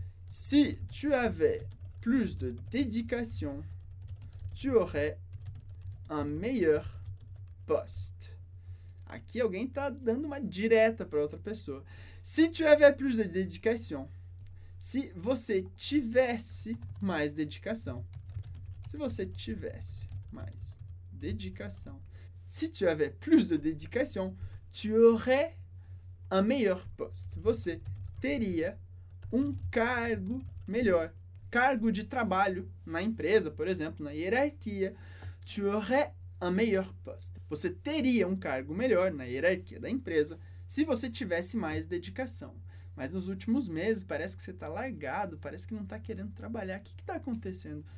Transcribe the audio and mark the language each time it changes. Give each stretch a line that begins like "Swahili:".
French: Si tu avais plus de dédication, tu aurais un meilleur poste.
Portuguese: Aqui alguém tá dando uma direta para outra pessoa.
French: Si tu avais plus de dédication.
Portuguese: Se você tivesse mais dedicação. Se você tivesse mais dedicação.
French: Si tu avais plus de dédication, tu aurais un meilleur poste.
Portuguese: Você teria um cargo melhor. Cargo de trabalho na empresa, por exemplo, na hierarquia.
French: Tu aurais un meilleur poste.
Portuguese: Você teria um cargo melhor na hierarquia da empresa se você tivesse mais dedicação. Mas nos últimos meses parece que você está largado, parece que não está querendo trabalhar. O que está acontecendo?